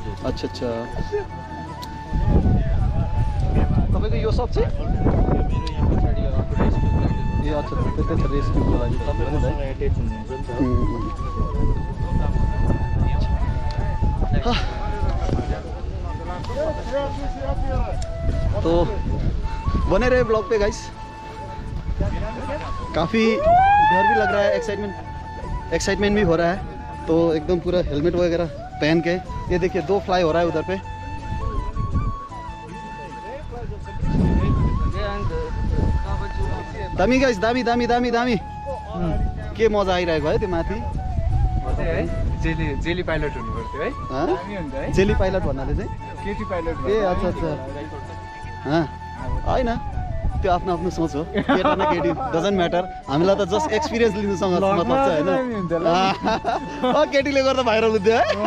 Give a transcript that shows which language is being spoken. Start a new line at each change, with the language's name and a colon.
Nepali: अच्छा अच्छा तपाईँको यो सब चाहिँ ए अच्छा त्यस्तै छ रेस्टको लागि।
Hindi: तो बने रहे ब्लॉग पे गाइस, काफ़ी डर भी लग रहा है, एक्साइटमेंट भी हो रहा है। तो एकदम पूरा हेलमेट वगैरह पहन के, ये देखिए दो फ्लाई हो रहा है उधर पे।
Nepali: दामी गाइस, दामी दामी दामी दामी के मजा आइरहेको है त्यो माथि। जेली पाइलट भन्नाले चाहिँ होइन, त्यो आफ्नो आफ्नो सोच हो, केटा न केटी
English: doesn't matter,
Nepali: हामीलाई त जस्ट एक्सपिरियन्स लिनुसँग मतलब छ होइन, केटीले गर्दा भाइरल हुन्थ्यो है।